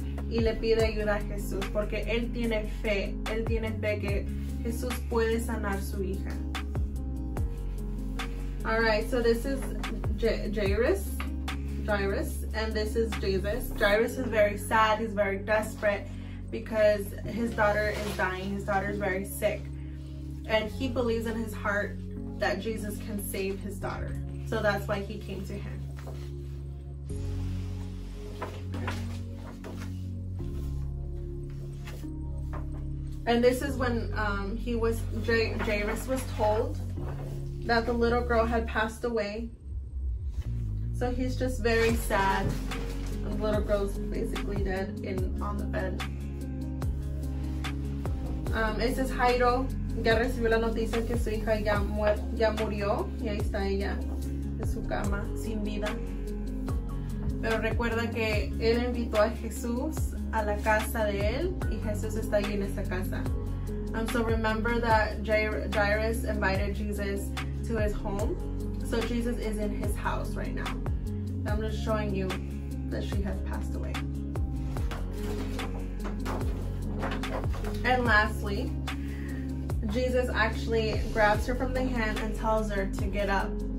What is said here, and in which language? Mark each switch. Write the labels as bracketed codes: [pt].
[es] Y le pide ayuda a Jesús porque él tiene fe. Él tiene fe que Jesús puede sanar su hija. [en] All right, so this is Jairus, and this is Jesus. Jairus is very sad. He's very desperate because his daughter is dying. His daughter is very sick. And he believes in his heart that Jesus can save his daughter. So that's why he came to him. And this is when Jairus was told that the little girl had passed away. So he's just very sad. The little girl's basically dead on the bed. [es] Este es Jairo. Ya recibió la noticia que su hija ya murió. Y ahí está ella en su cama, sin vida. Pero recuerda que él invitó a Jesús a la casa de él y Jesús está ahí en esa casa. [en] So remember that Jairus invited Jesus to his home. So Jesus is in his house right now. I'm just showing you that she has passed away. And lastly, Jesus actually grabs her from the hand and tells her to get up.